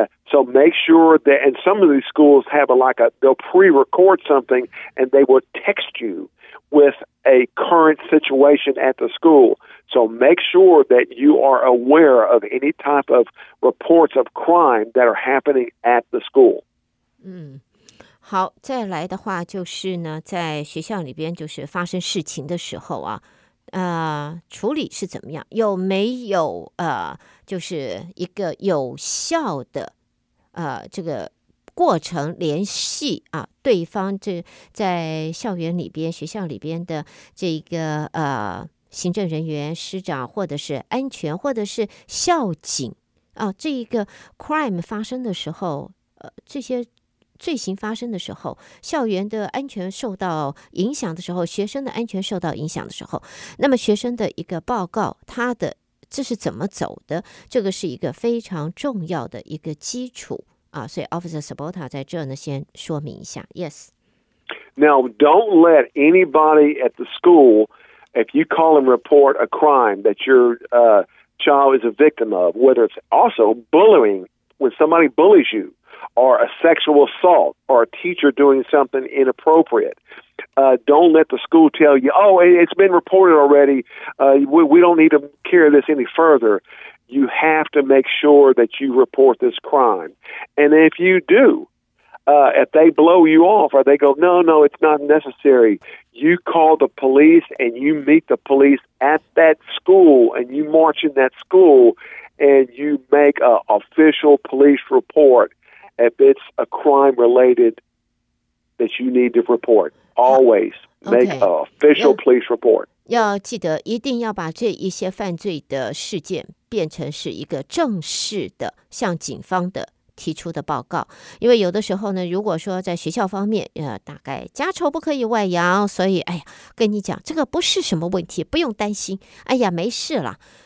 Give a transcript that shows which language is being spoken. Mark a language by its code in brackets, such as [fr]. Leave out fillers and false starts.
[en] So make sure that, and some of these schools have they'll pre-record something and they will text you with a current situation at the school. So make sure that you are aware of any type of reports of crime that are happening at the school. [zh] 好，再来的话就是呢，在学校里边就是发生事情的时候啊，处理是怎么样？有没有就是一个有效的这个过程联系啊？对方这在校园里边、学校里边的这个行政人员、师长，或者是安全，或者是校警啊，这一个 crime 发生的时候，这些。罪行发生的时候，校园的安全受到影响的时候，学生的安全受到影响的时候，那么学生的一个报告，他的这是怎么走的？这个是一个非常重要的一个基础啊！所以 Officer Sabota 在这呢，先说明一下。 [en] Yes. Now, don't let anybody at the school, if you call and report a crime that your child is a victim of, whether it's also bullying, when somebody bullies you. Or a sexual assault, or a teacher doing something inappropriate. Don't let the school tell you, it's been reported already. We don't need to carry this any further. You have to make sure that you report this crime. And if you do, if they blow you off, or they go, no, it's not necessary, you call the police and you meet the police at that school and you march in that school and you make an official police report. If it's a crime related that you need to report, always make an official police report. [zh] 要记得一定要把这一些犯罪的事件变成是一个正式的向警方的提出的报告。因为有的时候呢，如果说在学校方面，大概家丑不可以外扬，所以哎呀，跟你讲，这个不是什么问题，不用担心，哎呀，没事了。